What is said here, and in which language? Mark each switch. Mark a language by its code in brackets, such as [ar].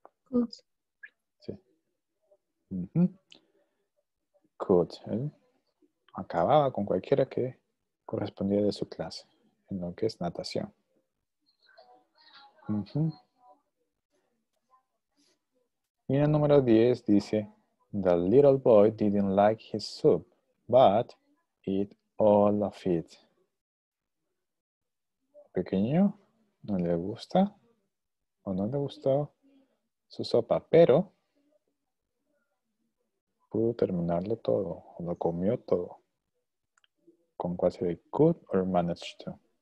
[en] Good. [es] Sí. [en] Good. [es] Él acababa con cualquiera que correspondía de su clase, en lo que es natación. Y el número 10 dice, [en] The little boy didn't like his soup, but ate all of it. [es] Pequeño, no le gusta o no le gustó su sopa, pero pudo terminarlo todo, o lo comió todo. ¿Con cuál sería? [en] Could or managed to.